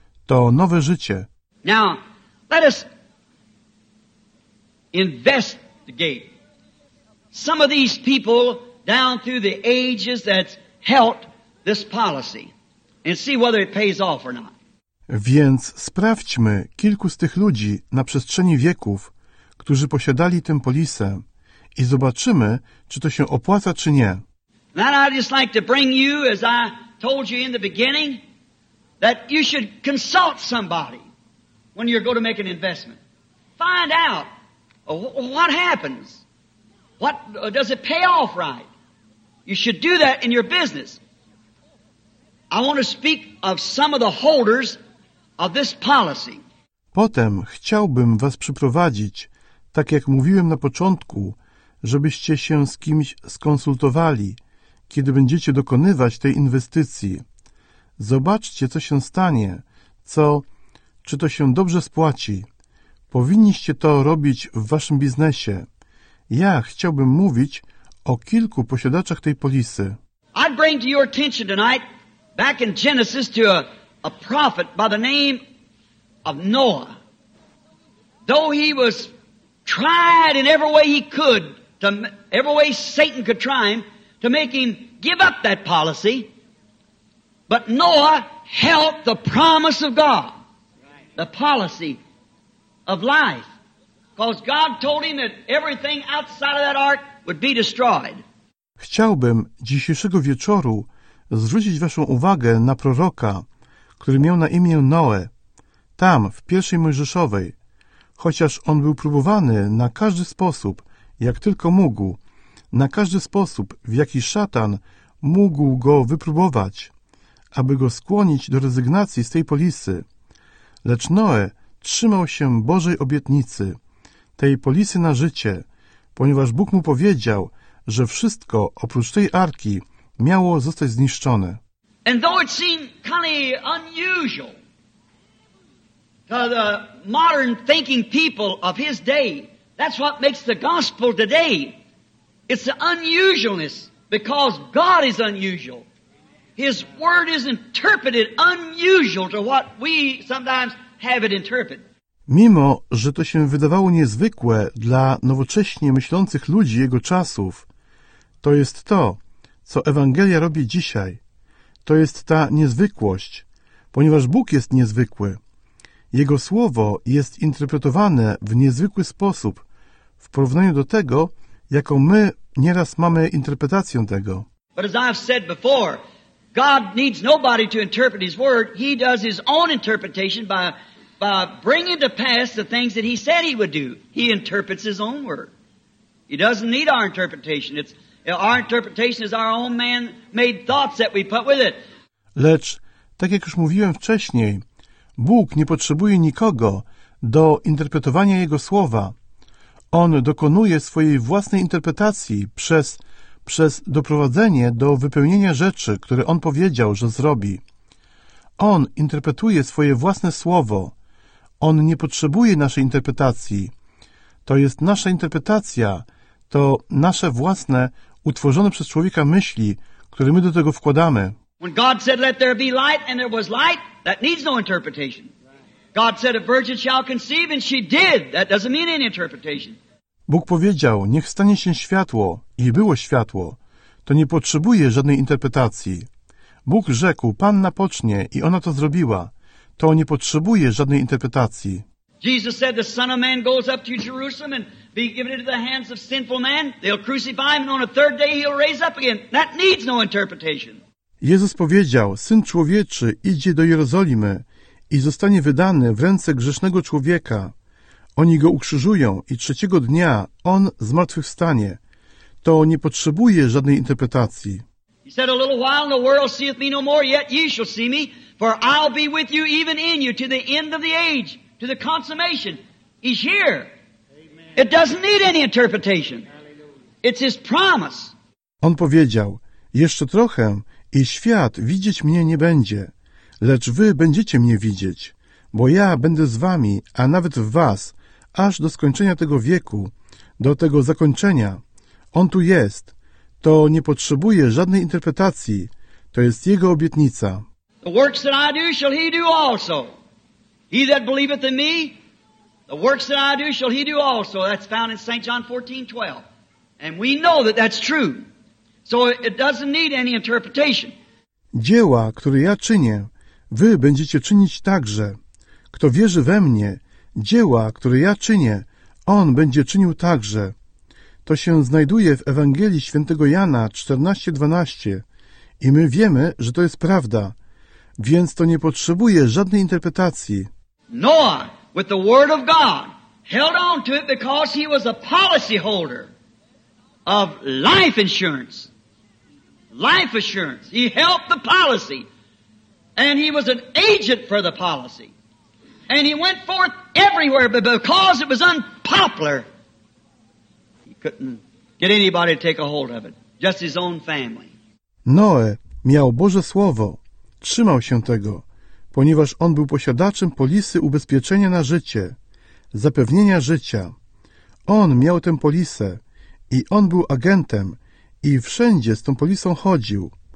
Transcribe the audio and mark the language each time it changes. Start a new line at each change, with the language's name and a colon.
Polish: To nowe życie.
English: Now, let us investigate some of these people down through the ages that helped this policy and see whether it pays off or not.
Polish: Więc sprawdźmy kilku z tych ludzi na przestrzeni wieków, którzy posiadali tę polisę i zobaczymy, czy to się opłaca, czy nie.
English: Now I'd just like to bring you, as I told you in the beginning, that you should consult somebody when you're going to make an investment. Find out what happens. What does it pay off right? You should do that in your business. I want to speak of some of the holders of this policy.
Polish: Potem chciałbym was przyprowadzić, tak jak mówiłem na początku, żebyście się z kimś skonsultowali, kiedy będziecie dokonywać tej inwestycji. Zobaczcie, co się stanie, czy to się dobrze spłaci. Powinniście to robić w waszym biznesie. Ja chciałbym mówić o kilku posiadaczach tej polisy.
English: I'd bring to your attention tonight, back in Genesis, to a prophet by the name of Noah. Though he was tried in every way he could, to every way Satan could try him, to make him give up that policy, but Noah held the promise of God, the policy of life, because God told him that everything outside of that ark would be destroyed.
Polish: Chciałbym dzisiejszego wieczoru zwrócić waszą uwagę na proroka, który miał na imię Noe, tam w pierwszej Mojżeszowej, chociaż on był próbowany na każdy sposób, jak tylko mógł, na każdy sposób, w jaki szatan mógł go wypróbować, aby go skłonić do rezygnacji z tej polisy. Lecz Noe trzymał się Bożej obietnicy, tej polisy na życie, ponieważ Bóg mu powiedział, że wszystko oprócz tej arki miało zostać zniszczone.
English: And though it seemed kind of unusual to the modern thinking people of his day, that's what makes the gospel today. It's the unusualness, because God is unusual. His word is interpreted unusual to what we sometimes have it interpreted.
Polish: Mimo, że to się wydawało niezwykłe dla nowocześnie myślących ludzi jego czasów, to jest to, co Ewangelia robi dzisiaj. To jest ta niezwykłość, ponieważ Bóg jest niezwykły. Jego słowo jest interpretowane w niezwykły sposób w porównaniu do tego, jaką my nieraz mamy interpretację tego.
English: But as I've said before, God needs nobody to interpret his word. He does his own interpretation by bringing to pass the things that he said he would do. He interprets his own word. He doesn't need our interpretation. Our interpretation is our own man-made thoughts that we put with it.
Polish: Lecz, tak jak już mówiłem wcześniej, Bóg nie potrzebuje nikogo do interpretowania jego słowa. On dokonuje swojej własnej interpretacji przez doprowadzenie do wypełnienia rzeczy, które on powiedział, że zrobi. On interpretuje swoje własne słowo. On nie potrzebuje naszej interpretacji. To jest nasza interpretacja, to nasze własne, utworzone przez człowieka myśli, które my do tego wkładamy.
English: When God said, let there be light, and there was light, that needs no interpretation. God said, a virgin shall conceive, and she did. That doesn't mean any interpretation.
Polish: Bóg powiedział, niech stanie się światło, i było światło. To nie potrzebuje żadnej interpretacji. Bóg rzekł, Panna pocznie, i ona to zrobiła. To nie potrzebuje żadnej interpretacji.
English: Jesus said the Son of Man goes up to Jerusalem and be given into the hands of sinful man. They'll crucify him and on a third day he'll raise up again. That needs no interpretation.
Polish: Jezus powiedział, Syn Człowieczy idzie do Jerozolimy i zostanie wydany w ręce grzesznego człowieka. Oni go ukrzyżują i trzeciego dnia on zmartwychwstanie. To nie potrzebuje żadnej interpretacji.
English: He said, a little while and the world seeth me no more, yet ye shall see me, for I'll be with you even in you to the end of the age, to the consummation. He's here. It doesn't need any interpretation. It's his promise.
Polish: On powiedział, jeszcze trochę i świat widzieć mnie nie będzie, lecz wy będziecie mnie widzieć, bo ja będę z wami, a nawet w was, aż do skończenia tego wieku, do tego zakończenia. On tu jest. To nie potrzebuje żadnej interpretacji. To jest Jego obietnica.
English: The works that I do shall he do also. He that believeth in me, the works that I do shall he do also. That's found in St. John 14:12. And we know that that's true. So it doesn't need any interpretation.
Polish: Dzieła, które ja czynię, wy będziecie czynić także. Kto wierzy we mnie, dzieła, które ja czynię, on będzie czynił także. To się znajduje w Ewangelii Świętego Jana 14:12 i my wiemy, że to jest prawda, więc to nie potrzebuje żadnej interpretacji.
English: Noah, with the word of God, held on to it because he was a policy holder of life insurance. Life assurance. He helped the policy. And he was an agent for the policy. And he went forth everywhere, but because it was unpopular, couldn't get anybody to take a hold of it. Just his own family.
Polish: Noe miał Boże Słowo. Trzymał się tego, ponieważ on był posiadaczem polisy ubezpieczenia na życie, zapewnienia życia. On miał tę polisę i on był agentem i wszędzie z tą polisą chodził.